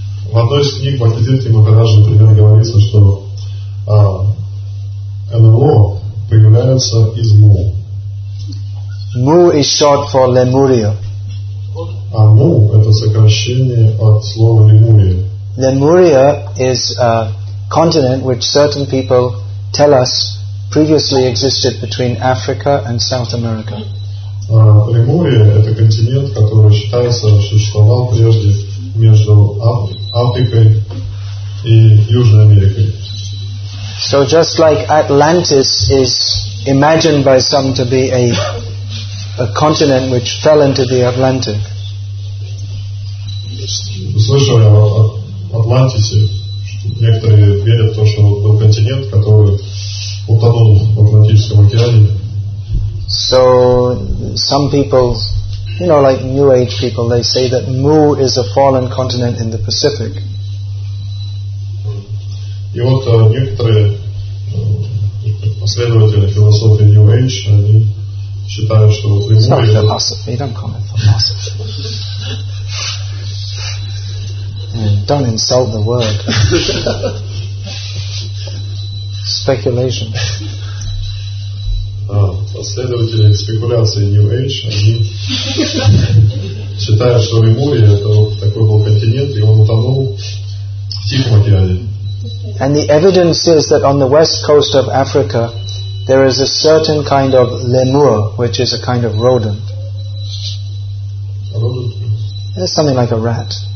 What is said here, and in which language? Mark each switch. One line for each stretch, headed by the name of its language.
Russian: В одной из книг Бхактивинода Махараджа, например, говорится, что НЛО появляется из Му.
English: Му is short for Lemuria.
Russian: А Му – это сокращение от слова Лемурия.
English: Lemuria is a continent which certain people tell us previously existed between Africa and South America.
Russian: Лемурия – это континент, который считается, существовал прежде между Африкой и Южной Америкой.
English: So just like Atlantis is imagined by some to be a continent which fell into the Atlantic.
Russian: Слышал я о Атлантисе, что некоторые верят, что был континент, который утонул в Атлантическом океане.
English: So some people, you know, like New Age people, they say that Mu is a fallen continent in the Pacific.
Russian: И вот некоторые последователи философии New Age, они считают, что вот Лемурия...
English: Not philosophy, don't call it philosophy. Don't insult the word. Speculation.
Russian: Последователи спекуляции New Age, они считают, что Лемурия это вот такой был континент, и он утонул в Тихом океане.
English: And the evidence is that on the west coast of Africa, there is a certain kind of lemur, which is a kind of rodent. A rodent? It's something like a rat.